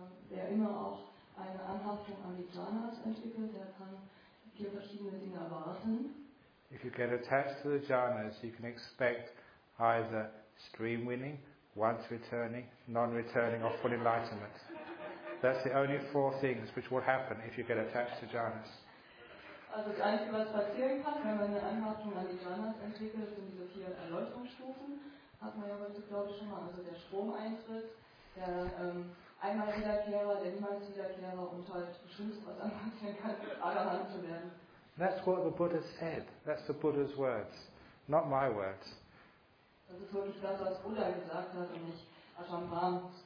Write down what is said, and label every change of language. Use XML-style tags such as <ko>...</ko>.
<de>Wer immer auch eine Anhaftung an die jhanas entwickelt, der kann vier verschiedene Dinge erwarten.</de> <en>If you get attached to the jhanas, you can expect either stream winning, once returning, non-returning, or full enlightenment. That's the only four things which will happen if you get attached to jhanas.</en> <de>Also das Einzige, was passieren kann, wenn man eine Anhaftung an die jhanas entwickelt, sind diese vier Erleuchtungsstufen. Hat man ja heute, glaube ich, schon mal. Also der Stromeintritt, der einmal Wiederkehrer, der niemals Wiederkehrer und halt das Schlimmste, was dann passieren kann, Arahant zu werden.</de> <en>That's what the Buddha said. That's the Buddha's words, not my words.</en> <de>Das ist wirklich das, was Buddha gesagt hat und nicht Ashambhams.</de>